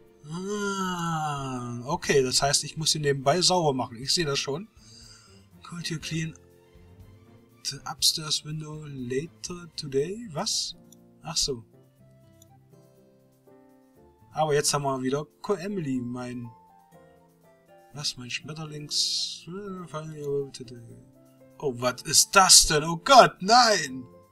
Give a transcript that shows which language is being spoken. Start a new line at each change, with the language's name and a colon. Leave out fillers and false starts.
German: Ah, okay, das heißt, ich muss sie nebenbei sauber machen. Ich sehe das schon.
English: Could you clean the upstairs window later today?
German: Was? Ach so. Aber jetzt haben wir wieder Co-Emily, mein... Was, mein Schmetterlings... Oh, was ist das denn? Oh Gott, nein!